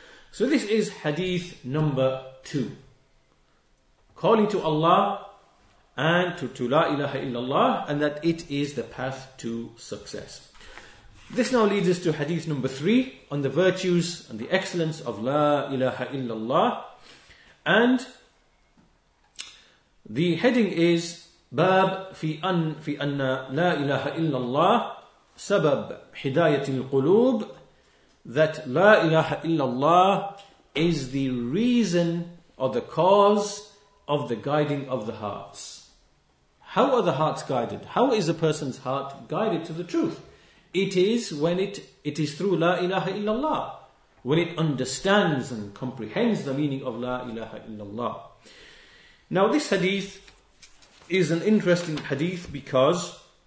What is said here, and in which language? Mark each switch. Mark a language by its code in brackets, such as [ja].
[en] So this is hadith number 2. Calling to Allah and to La ilaha illallah, and that it is the path to success. This now leads us to hadith number 3 on the virtues and the excellence of La ilaha illallah. And the heading is [ar] باب في أن في أن لا إله إلا الله سبب هداية القلوب, [en] that لا إله إلا الله is the reason or the cause of the guiding of the hearts. How are the hearts guided? How is a person's heart guided to the truth? It is when it is through لا إله إلا الله, when it understands and comprehends the meaning of لا إله إلا الله. Now this hadith is an interesting hadith, because